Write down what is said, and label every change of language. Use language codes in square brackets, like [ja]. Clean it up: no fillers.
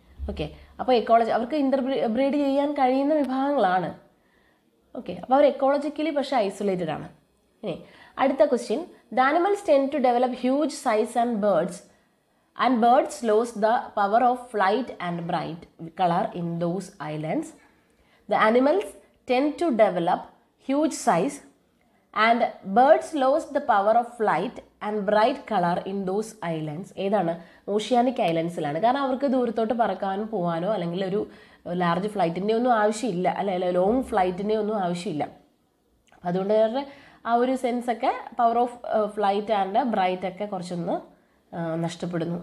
[ml] Okay, അപ്പോൾ ecology അവർക്ക് breed ചെയ്യാൻ കഴിയുന്ന വിഭാഗങ്ങളാണ്. ഓക്കെ, അപ്പോൾ അവർ എക്കോളജിക്കലി പക്ഷേ ഐസൊലേറ്റഡ് ആണ്. ഇനി അടുത്ത question, [en] The animals tend to develop huge size and birds and birds lose the power of flight and bright colour in those islands The animals tend to develop huge size, and birds lost the power of flight and bright color in those islands. [ml] ഏതാണ് oceanic ഐലൻഡ്സിലാണ്, കാരണം അവർക്ക് ദൂരത്തോട്ട് പറക്കാനോ പോകാനോ അല്ലെങ്കിൽ ഒരു large ഫ്ലൈറ്റിൻ്റെ ഒന്നും ആവശ്യമില്ല, അല്ലെ long ഫ്ലൈറ്റിൻ്റെ ഒന്നും ആവശ്യമില്ല. അപ്പം അതുകൊണ്ട് അവരുടെ ആ ഒരു സെൻസൊക്കെ [en] power of flight and bright [ml] ഒക്കെ കുറച്ചൊന്ന് നഷ്ടപ്പെടുന്നു.